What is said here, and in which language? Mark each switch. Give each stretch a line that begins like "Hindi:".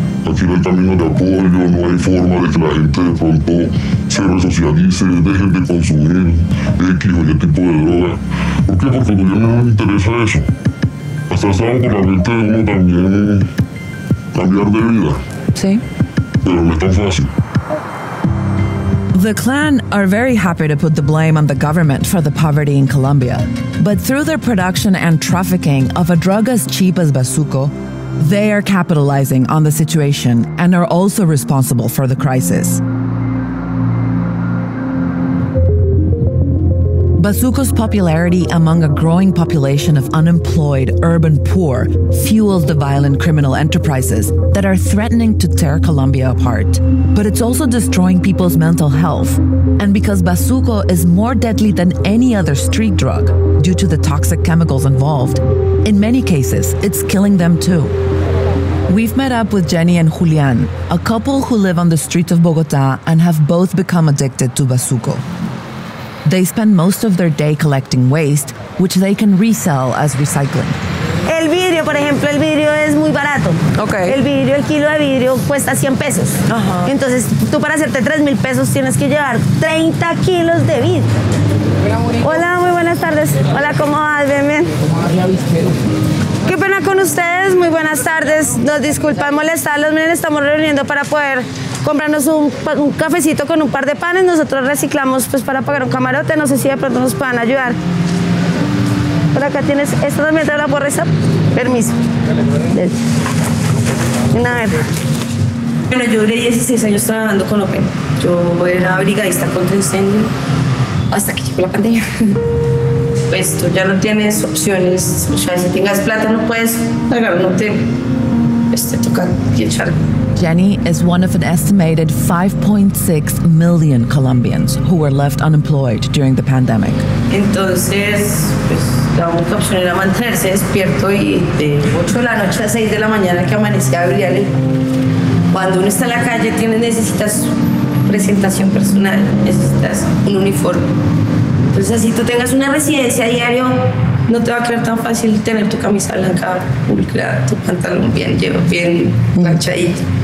Spanish: Aquí no hay camino de apoyo, no hay forma de que la gente de pronto se resocialice, deje de consumir X o Y tipo de droga. ¿Por qué? Porque al gobierno no le interesa eso. Hasta estaba por la mente de uno también cambiar de vida. Sí. Pero no es tan fácil.
English: The Clan are very happy to put the blame on the government for the poverty in Colombia. But through their production and trafficking of a drug as cheap as Basuco, they are capitalizing on the situation and are also responsible for the crisis. Basuco's popularity among a growing population of unemployed urban poor fuels the violent criminal enterprises that are threatening to tear Colombia apart. But it's also destroying people's mental health. And because Basuco is more deadly than any other street drug due to the toxic chemicals involved, in many cases, it's killing them too. We've met up with Jenny and Julian, a couple who live on the streets of Bogota and have both become addicted to Basuco. They spend most of their day collecting waste, which they can resell as recycling.
Spanish: El vidrio, por ejemplo, el vidrio es muy barato.
English: Okay.
Spanish: El vidrio, el kilo de vidrio cuesta 100 pesos. Ajá. Entonces, tú para hacerte 3 mil pesos tienes que llevar 30 kilos de vidrio. Hola, muy buenas tardes. Hola, ¿cómo vas? Bien. Qué pena con ustedes. Muy buenas tardes. Nos disculpan molestarlos. Miren, estamos reuniendo para poder comprarnos un cafecito con un par de panes. Nosotros reciclamos pues para pagar un camarote. No sé si de pronto nos puedan ayudar. Por acá tienes esta también de la pobreza. Permiso. A ver. Bueno, yo duré 16 años trabajando con OPEN. Yo era brigadista contra incendio hasta que llegó la pandemia. Pues tú ya no tienes opciones. O sea, si tengas plata, no puedes pagar un hotel. Pues te toca echar.
English: Jenny is one of an estimated 5.6 million Colombians who were left unemployed during the pandemic.
Spanish: Entonces, pues, la única opción era mantenerse despierto y de 8 de la noche a 6 de la mañana que amanecía abril. Cuando uno está en la calle, necesitas presentación personal, necesitas un uniforme. Entonces, así tú tengas una residencia diaria, no te va a quedar tan fácil tener tu camisa blanca pulcra, tu pantalón bien lleno, bien planchadito.